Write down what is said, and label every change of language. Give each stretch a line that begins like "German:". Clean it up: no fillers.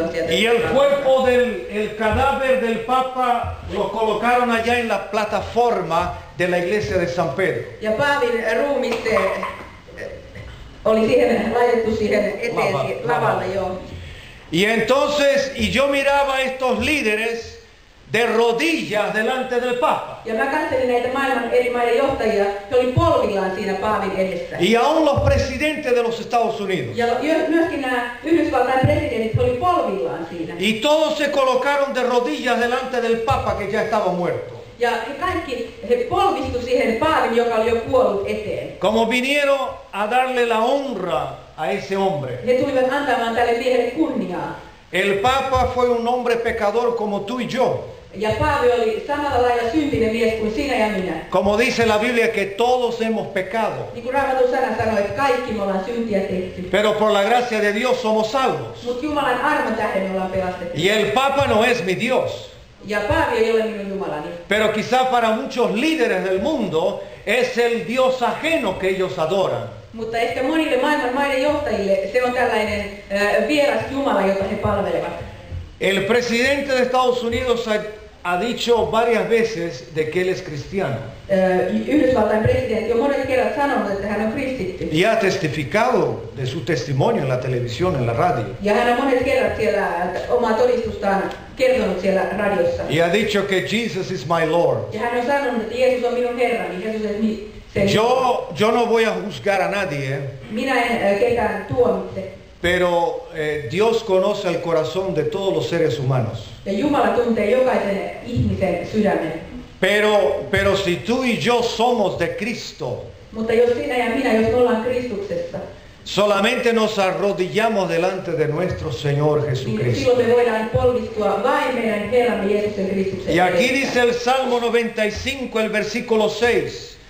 Spanish: Y el cuerpo del el cadáver del Papa lo colocaron allá en la plataforma de la iglesia de San Pedro.
Finnish: Ja Paavin ruumiste oli siihen laitettu siihen eteen lavalle, joo.
Spanish: Y entonces, y yo miraba a estos líderes de rodillas delante del Papa.
Finnish: Ja mä katselin näitä maailman eri maiden johtajia, he oli polvillaan siinä Paavin edessä.
Spanish: Y aún los presidentes de los Estados Unidos.
Finnish: Ja myöskin nämä Yhdysvaltain presidentit, he oli polvillaan siinä.
Spanish: Y todos se colocaron de rodillas delante del Papa que ya estaba muerto.
Finnish: Ja he kaikki, he polvistu siihen Paavin, joka oli jo kuollut eteen.
Spanish: Como vinieron a darle la honra a ese hombre.
Finnish: He tulivat antamaan tälle miehelle kunniaa.
Spanish: El Papa fue un hombre pecador como tú y yo.
Finnish: Ja Paavi oli samalla lailla syntinen mies kuin sinä ja minä.
Spanish: Como dice la Biblia que todos hemos pecado.
Finnish: Niin kuin Raamatun sana sanoi, että kaikki me ollaan syntiä tehty.
Spanish: Pero por la gracia de Dios somos salvos.
Finnish: Mut Jumalan armon tähden me ollaan pelastettu.
Spanish: Y el Papa no es mi Dios.
Finnish: Ja Paavi ei ole minun jumalani.
Spanish: Pero quizá para muchos líderes del mundo es el Dios ajeno que ellos adoran.
Finnish: Mutta ehkä monille maailman maiden johtajille se on tällainen vieras jumala, jota he palvelevat.
Spanish: El presidente de Estados Unidos ha dicho varias veces de que él es cristiano.
Finnish: Yhdysvaltain presidentti on monet kerrat sanonut, että hän on kristitty.
Spanish: Y ha testificado de su testimonio en la televisión, en la radio.
Finnish: Ja hän on monet kerrat siellä omaa todistustaan kertonut siellä radiossa.
Spanish: Y ha dicho que
English: Jesus is my Lord.
Finnish: Ja hän on sanonut, että Jeesus on minun herrani. Jeesus on minun.
Spanish: Yo no voy a juzgar a nadie.
Finnish: Minä en ketään tuomitse.
Spanish: Pero Dios conoce el corazón de todos los seres humanos.
Finnish: Ja Jumala tuntee jokaisen ihmisen sydämen.
Spanish: Pero si tú y yo somos de Cristo.
Finnish: Mutta jos sinä ja minä, jos ollaan Kristuksessa.
Spanish: Solamente nos arrodillamos delante de nuestro Señor Jesucristo.
Finnish: Silloin me voidaan polvistua vain meidän Herramme Jeesuksen Kristuksen.
Spanish: Y aquí dice el Salmo 95, el versículo 6.